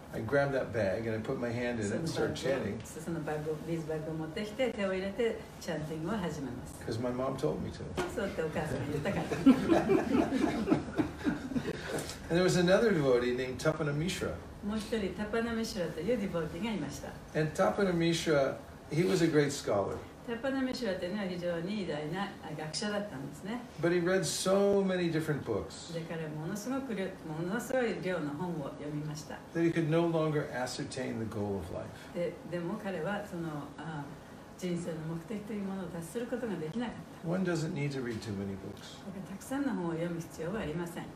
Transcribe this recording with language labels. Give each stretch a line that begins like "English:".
English: I grab that bag and I put my hand in it and start chanting.
Japanese: そのバッグ、ビーズバッグを持ってきて手を入れてチャンティングを始めます。
English: Because my mom told me to.
Japanese: そうってお母さんが言ったから。
English: And there was another devotee named Tapana Mishra.
Japanese: もう一人、タパナミシュラというディボーティがいました。
English: And Tapana Mishra, he was a great scholar.
Japanese: タパナミシュラというのは非常に偉大な学者だったんですね。
English: But he read so many different books.
Japanese: だからものすごい量の本を読みました。
English: That he could no longer ascertain the goal of life.
Japanese: でも彼はその人生の目的というものを達することができなかった。
English: One doesn't need to read too many books.
Japanese: だからたくさんの本を読む必要はありません。